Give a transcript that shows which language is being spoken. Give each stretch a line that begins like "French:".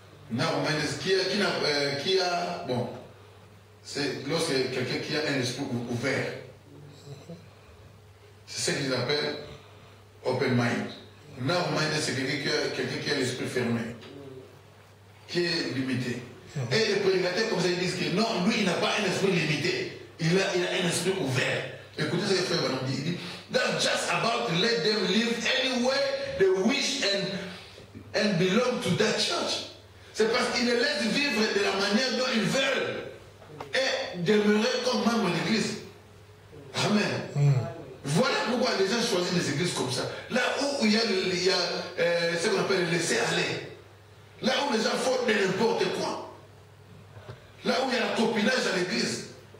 French: Narrow-minded, c'est lorsque quelqu'un qui a un esprit ouvert. C'est ce qu'ils appellent open mind. Narrow-minded, c'est quelqu'un qui a l'esprit fermé, qui est limité. Et les prédicateurs, comme ça, ils disent que non, lui, il n'a pas un esprit limité. Il a un esprit ouvert. Écoutez ce que Frère Branham dit. Il dit,
English: that's just about to let them live anywhere they wish and belong to that church.
French: C'est parce qu'ils les laissent vivre de la manière dont ils veulent et demeurer comme membre de l'église. Amen. Voilà pourquoi les gens choisissent les églises comme ça. Là où il y a ce qu'on appelle le laisser-aller. Là où les gens font de n'importe quoi. Là où il y a un copinage à l'église.